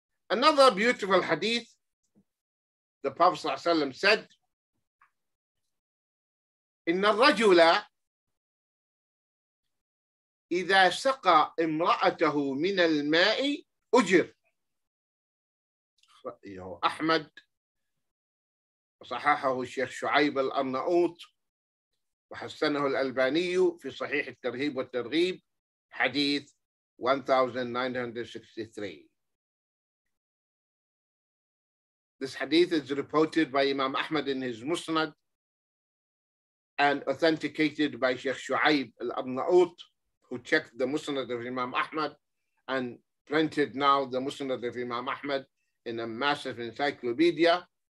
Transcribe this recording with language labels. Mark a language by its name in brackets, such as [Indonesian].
[English] Another beautiful hadith, the Prophet Sallallahu Alaihi Wasallam said, [Arabic] إن الرجل إذا سقى امرأته من الماء أجر. رأيه أحمد وصححه الشيخ شعيب الأرناؤوط وحسنه الألباني في صحيح الترهيب والترغيب حديث 1963. [English] This hadith is reported by Imam Ahmad in his Musnad and authenticated by Sheikh Shu'aib al-Arnaut, who checked the Musnad of Imam Ahmad and printed now the Musnad of Imam Ahmad in a massive encyclopedia.